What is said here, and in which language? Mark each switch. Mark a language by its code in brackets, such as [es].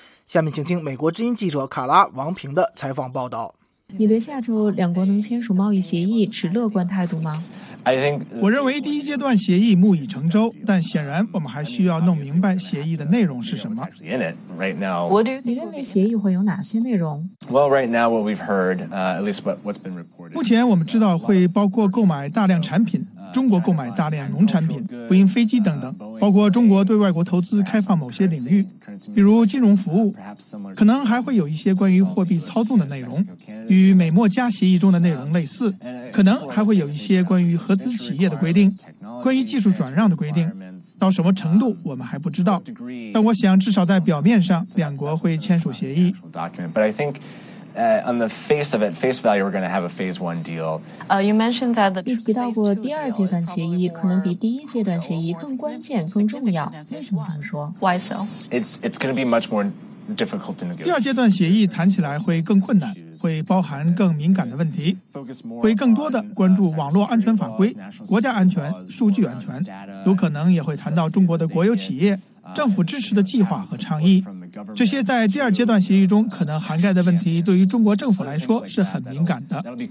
[zh] 下面请听美国之音记者卡拉·王平的采访报道。你对下周两国能签署贸易协议持乐观态度吗？我认为第一阶段协议木已成舟，但显然我们还需要弄明白协议的内容是什么。你认为协议会有哪些内容？ [en] Well, right now what we've heard, at least what's been reported. [zh] 目前我们知道会包括购买大量产品，中国购买大量农产品，波音飞机等等，包括中国对外国投资开放某些领域，比如金融服务，可能还会有一些关于货币操纵的内容，与美墨加协议中的内容类似，可能还会有一些关于合资企业的规定，关于技术转让的规定，到什么程度我们还不知道，但我想至少在表面上两国会签署协议。 [en] On the face of it, face value, we're going to have a phase one deal. You mentioned that the phase two deal is probably more important. [zh] 你提到过第二阶段协议可能比第一阶段协议更关键、更重要。为什么这么说 [en] ？Why so? It's going to be much more difficult to negotiate. [zh] 第二阶段协议谈起来会更困难，会包含更敏感的问题，会更多的关注网络安全法规、国家安全、数据安全，有可能也会谈到中国的国有企业、政府支持的计划和倡议。这些在第二阶段协议中可能涵盖的问题对于中国政府来说是很敏感的。